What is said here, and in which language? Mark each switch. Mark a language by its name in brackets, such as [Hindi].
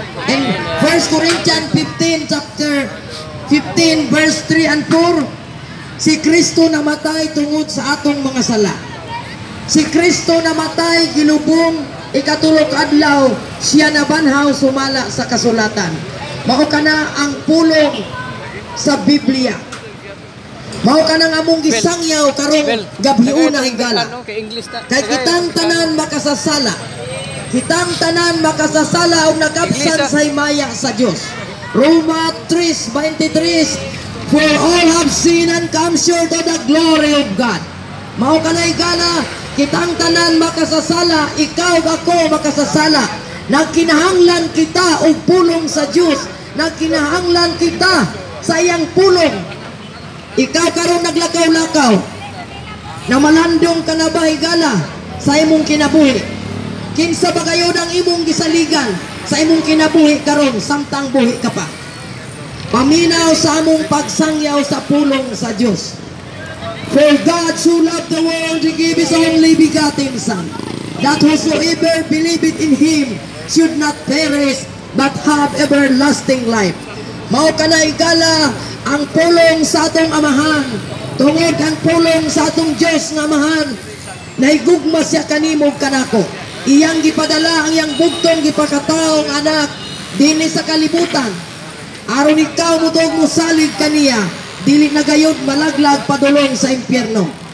[English] In 1 Corinthians 15 chapter 15 verse 3 and 4, [Cebuano] si Kristo namatay tungod sa atong mga sala. Si Kristo namatay gilubong ikatulo kadlaw, siya na banhaw sumala sa kasulatan. Mao kana ang pulong sa Biblia. Mao kana ng among gisangyaw karong gabiuna ang gala. Kahit kitang tanan makasasala, kitang tanan makasasala o nagabsan sa himaya sa Diyos. [English] Roma 3:23, for all have sinned and come short of the glory of God. [Cebuano] Mao kana igala, kitang tanan makasasala, ikaw ako makasasala. Nagkinahanglan kita og pulong sa Diyos. Nagkinahanglan kita sa iyang pulong. Ikaw karon naglakaw-lakaw. Namalandong ka na ba higala sa imong kinabuhi? Kinsa ba kayo ng imong gisaligan sa imong kinabuhi karon samtang buhi ka pa? Paminaw sa among pagsangyaw sa pulong sa Diyos. [English] For God so loved the world, He gave His only begotten Son, that whosoever believeth in Him should not perish, but have everlasting life. [Cebuano] Mao kana igala ang pulong sa atong amahan, tungod ang pulong sa atong Diyos nga amahan, na igugma siya kanimo kanako. Iyang gipadala ang iyang bugtong gipakataong anak, dinhi sa kalibutan. Aron ikaw mutog mo salig kaniya, dili na gayod malaglag padulong sa impyerno.